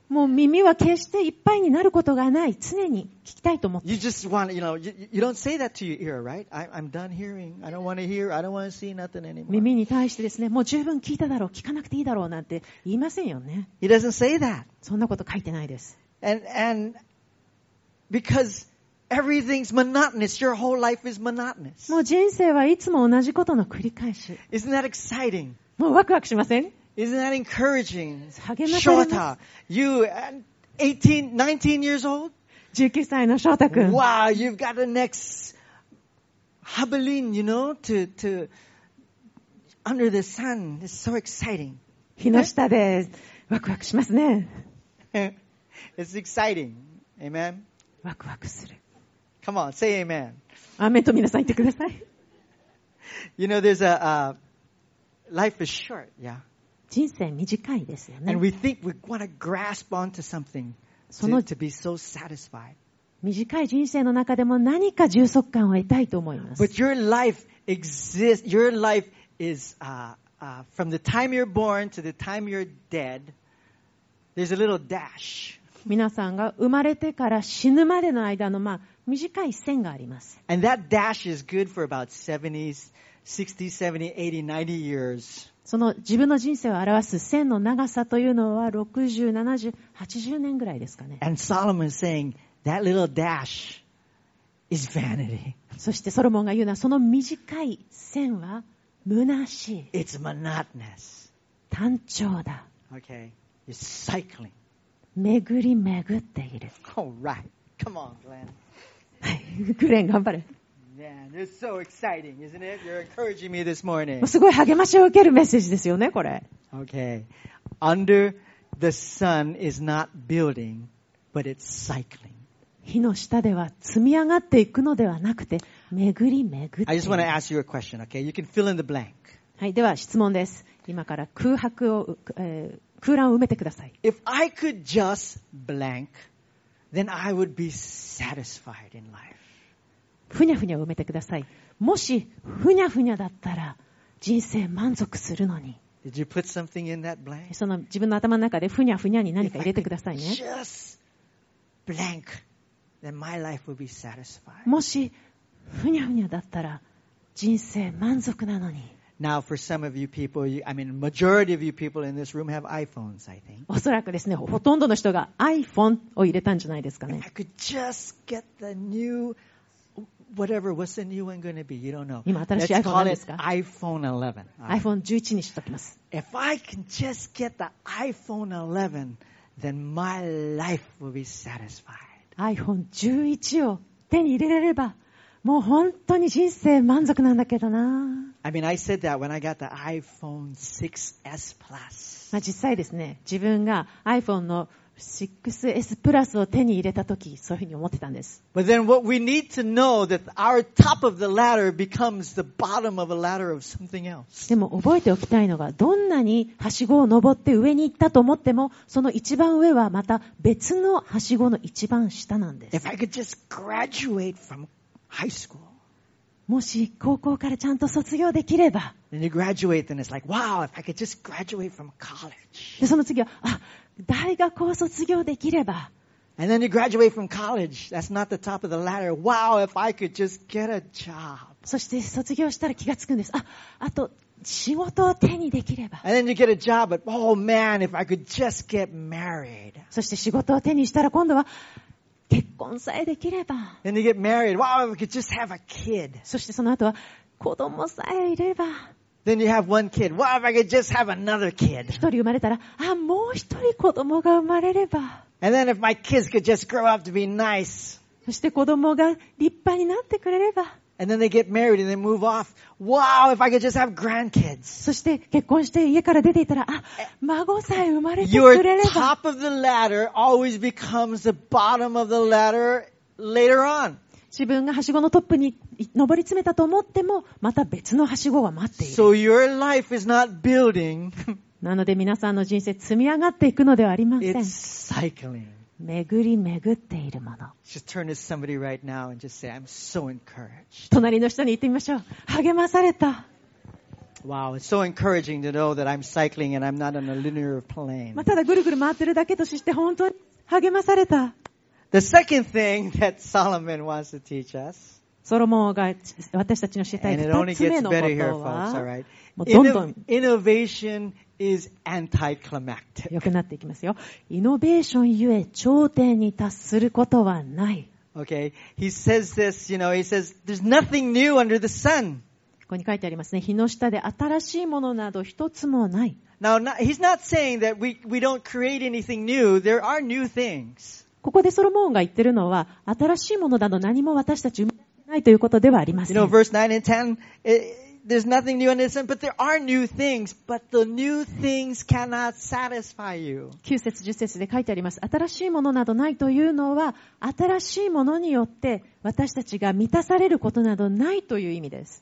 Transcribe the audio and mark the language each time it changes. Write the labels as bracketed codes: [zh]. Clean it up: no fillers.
[ja] もう耳は決していっぱいになることがない。常に聞きたいと思って。 [en] You just want, you know, you don't say that to your ear, right? I'm done hearing. I don't want to hear. I don't want to see nothing anymore. [ja] 耳に対してですね、もう十分聞いただろう、聞かなくていいだろうなんて言いませんよね。 [en] He doesn't say that. [ja] そんなこと書いてないです。 [en] And because everything's monotonous, your whole life is monotonous. [ja] もう人生はいつも同じことの繰り返し。 [en] Isn't that exciting? [ja] もうワクワクしません？ [en] Isn't that encouraging? [ja] 励まされます。 [en] Shota, you 18, 19 years old? [ja] 19歳のショータ君。 [en] Wow, you've got the next habilin, you know, to under the sun. It's so exciting. [ja] 日の下でワクワクしますね。 [en] It's exciting. Amen? [ja] ワクワクする。 [en] Come on, say amen. [ja] アーメンと皆さん言ってください。 [en] You know, there's a, life is short, yeah. [ja] 人生短いですよね。 [en] And we think we want to grasp onto something to be so satisfied. [ja] 短い人生の中でも何か充足感を得たいと思います。 [en] But your life exists, your life is, from the time you're born to the time you're dead, there's a little dash. [ja] 皆さんが生まれてから死ぬまでの間の、まあ、短い線があります。 [en] And that dash is good for about 70, 60, 70, 80, 90 years. [ja] その自分の人生を表す線の長さというのは60、70、80年ぐらいですかね。 [en] And Solomon is saying that little dash is vanity. [ja] そしてソロモンが言うのはその短い線は虚しい。 [en] It's monotonous. [ja] 単調だ。 [en] Okay. It's cycling. [ja] めぐりめぐっている。 [en] Alright. Come on, Glenn. [ja] はい。グレン、頑張れ。 [en] Man, this is so exciting, isn't it? You're encouraging me this morning. [ja] すごい励ましを受けるメッセージですよね、これ。 [en] Okay. Under the sun is not building, but it's cycling. [ja] 日の下では積み上がっていくのではなくて、めぐりめぐっている。 [en] I just want to ask you a question, okay? You can fill in the blank. [ja] はい。では質問です。今から空白を、空欄を埋めてください。 [en] If I could just blank, then I would be satisfied in life. [ja] ふにゃふにゃ埋めてください。もしふにゃふにゃだったら人生満足するのに。 [en] Did you put something in that blank? [ja] その自分の頭の中でふにゃふにゃに何か入れてくださいね。 [en] If I could just blank, then my life would be satisfied. [ja] もしふにゃふにゃだったら人生満足なのに。 [en] Now, for some of you people, you, I mean, majority of you people in this room have iPhones, I think. [ja] おそらくですね、ほとんどの人が iPhone を入れたんじゃないですかね。 [en] I could just get the new, whatever, what's the new one going to be? You don't know. [ja] 今新しい iPhone 何ですか? [en] Let's call it iPhone 11. [ja] iPhone 11にしときます。 [en] If I can just get the iPhone 11, then my life will be satisfied. [ja] iPhone 11を手に入れれれば、もう本当に人生満足なんだけどな。 [en] I mean, I said that when I got the iPhone 6S Plus. [ja] まあ実際ですね、自分が iPhone の 6S Plus を手に入れたとき、そういうふうに思ってたんです。 [en] But then what we need to know that our top of the ladder becomes the bottom of a ladder of something else. [ja] でも覚えておきたいのが、どんなにはしごを登って上に行ったと思っても、その一番上はまた別のはしごの一番下なんです。 [en] If I could just graduate from high school. [ja] もし高校からちゃんと卒業できれば。 [en] Then you graduate, then it's like, wow, if I could just graduate from college. [ja] で、その次は、あ、大学を卒業できれば。 [en] And then you graduate from college. That's not the top of the ladder. Wow, if I could just get a job. [ja] そして卒業したら気がつくんです。あ、あと、仕事を手にできれば。 [en] And then you get a job, but oh man, if I could just get married. [ja] そして仕事を手にしたら今度は、結婚さえできれば。 [en] Then you get married. Wow, if I could just have a kid. [ja] そしてその後は子供さえいれば。 [en] Then you have one kid. Wow, if I could just have another kid. [ja] 一人生まれたら、あ、もう一人子供が生まれれば。 [en] And then if my kids could just grow up to be nice. [ja] そして子供が立派になってくれれば。 [en] And then they get married and they move off. Wow, if I could just have grandkids. [ja] そして結婚して家から出ていたら、あ、孫さえ生まれてくれれば。 [en] Your top of the ladder always becomes the bottom of the ladder later on. [ja] 自分がはしごのトップに登り詰めたと思っても、また別のはしごが待っている。 [en] So your life is not building. [ja] なので皆さんの人生積み上がっていくのではありません。 [en] It's cycling. [ja] 巡り巡っているもの。 [en] Just turn to somebody right now and just say, I'm so encouraged. [ja] 隣の人に言ってみましょう。励まされた。 [en] Wow, it's so encouraging to know that I'm cycling and I'm not on a linear plane. [ja] まあ、ただぐるぐる回ってるだけとして本当に励まされた。 [en] The second thing that Solomon wants to teach us. [ja] ソロモンが私たちの教えたい二つ目のことは。 [en] And it only gets better here, folks, alright? Innovation. Is anticlimactic. [ja] 良くなっていきますよ。イノベーションゆえ頂点に達することはない。 [en] Okay, he says this. You know, he says there's nothing new under the sun. [ja] ここに書いてありますね。日の下で新しいものなど一つもない。 [en] Now, he's not saying that we don't create anything new. There are new things. [ja] ここでソロモンが言ってるのは新しいものなど何も私たち生み出せないということではありません。 [en] You know, verse 9 and 10. There's nothing new under the sun, but there are new things, but the new things cannot satisfy you. [ja] 9節、10節で書いてあります。新しいものなどないというのは、新しいものによって私たちが満たされることなどないという意味です。